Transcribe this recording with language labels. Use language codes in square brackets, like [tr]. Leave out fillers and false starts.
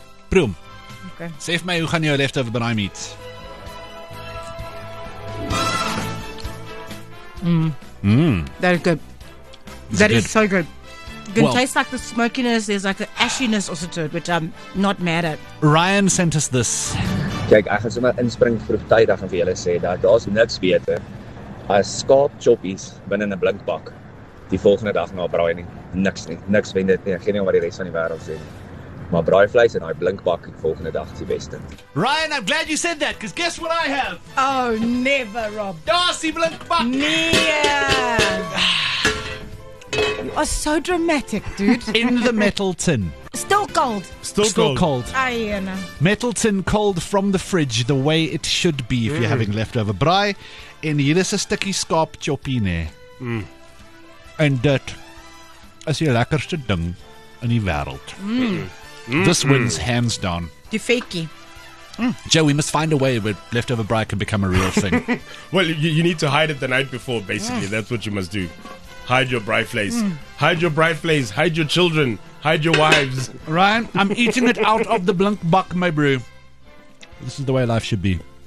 [en] Broom. Okay. Save me, hoe gaan jou leftover braai meat? That is good. That is so good. Tastes like the smokiness. There's like an ashiness also to it, which I'm not mad at. Ryan sent us this. [af] Kijk, ek gaan sommer inspring vroegtydig en vir julle sê dat daar's niks beter as skaap choppies binne in 'n blikbak die volgende dag na braai nie. Niks nie. Niks wen dit nie. Ek gee nie om wat die res van die wêreld sê nie. Maar braai vleis in daai blikbak die volgende dag is die beste. [en] Ryan, I'm glad you said that, because guess what I have? Oh, never, Rob. [af] Darcy blikbak. Nee. [en] You are so dramatic, dude. In the metal tin. Still cold. I know. Metal tin cold from the fridge, the way it should be if you're having leftover braai. [af] En hier is 'n stukkie skaap choppie nee. En dit is die lekkerste ding in die wêreld. [en] This wins hands down. [af] Die fakie. [en] Joe, we must find a way where leftover braai can become a real thing. Well, you need to hide it the night before, basically. That's what you must do. Hide your braai vleis. Hide your braai vleis. Hide your children. Hide your wives. Ryan, I'm eating it out of the blikbak, my bro. This is the way life should be.